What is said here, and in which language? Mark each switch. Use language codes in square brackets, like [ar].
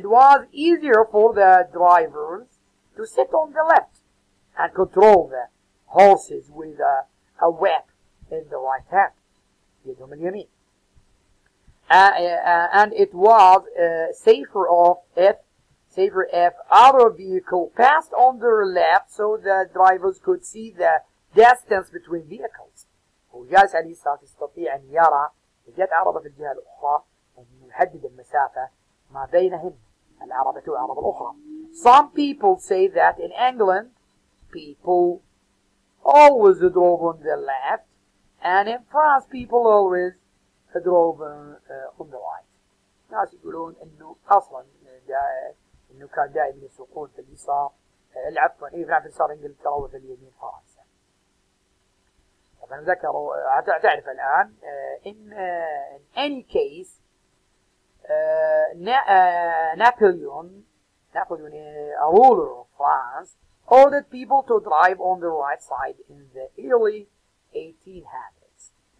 [en] It was easier for the drivers to sit on the left and control the horses with a whip in the right hand. [ar] يدهم اليمين. [en] And it was safer if other vehicle passed on their left so the drivers could see the distance between vehicles. [ar] وجالس على اليسار يستطيع أن يرى إذا جاءت عربة في الجهة الأخرى أن يحدد المسافة ما بينهم, العربة والعربة الأخرى. [en] Some people say that in England people always drove on the left and in France people always drove on the right. [ar] ناس يقولون أنه أصلاً أنه كان دائماً يسوقون في اليسار, العفو أي فعلاً في اليسار إنجلترا وفي اليمين فرنسا. طبعاً ذكروا تعرف الآن [en] in any case Napoleon, a ruler of France, ordered people to drive on the right side in the early 1800s.